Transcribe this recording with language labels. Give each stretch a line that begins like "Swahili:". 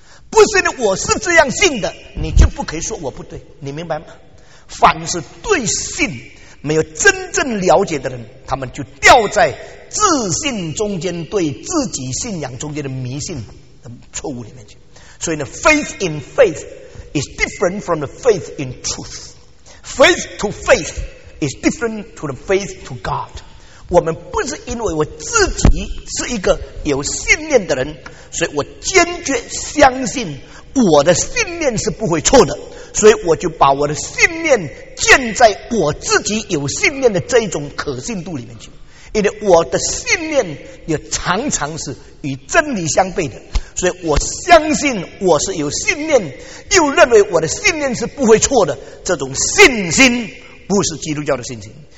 Chinese: 不是因为我是这样信的，你就不可以说我不对，你明白吗？凡是对信没有真正了解的人，他们就掉在自信中间对自己信仰中间的迷信的错误里面去。所以呢
English: faith in faith is different from the faith in truth. Faith to faith is different to the faith to God.
Chinese: 我们不是因为我自己是一个有信念的人，所以我坚决相信我的信念是不会错的，所以我就把我的信念建在我自己有信念的这一种可信度里面去，因为我的信念也常常是与真理相悖的，所以我相信我是有信念，又认为我的信念是不会错的，这种信心不是基督教的信心。